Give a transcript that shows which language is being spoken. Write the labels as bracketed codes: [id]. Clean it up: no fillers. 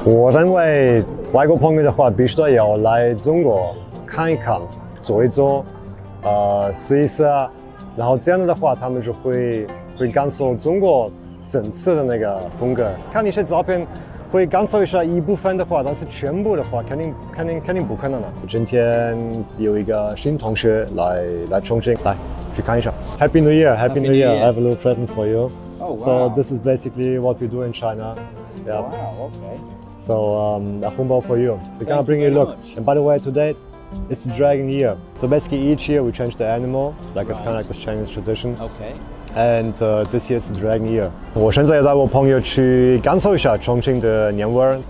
[zh] 我认为外国朋友的话，必须得要来中国看一看，坐一坐，试一试啊，然后这样的话，他们就会感受中国。整次的那个风格，看一些照片，会感受一下一部分的话，但是全部的话，肯定不可能了。今天有一个新同学来重庆，来去看一下。 [en] Happy New Year, Happy New Year. I have a little present for you. Oh wow. So this is basically what we do in China. Yeah. Wow. Okay. So a 红包 for you. We're gonna bring you a look. Much. And by the way, today it's a dragon year. So basically, each year we change the animal. Like right. It's kind of like this Chinese tradition. Okay. And this year's dragon year. [zh] 我现在要带我朋友去感受一下重庆的年味儿。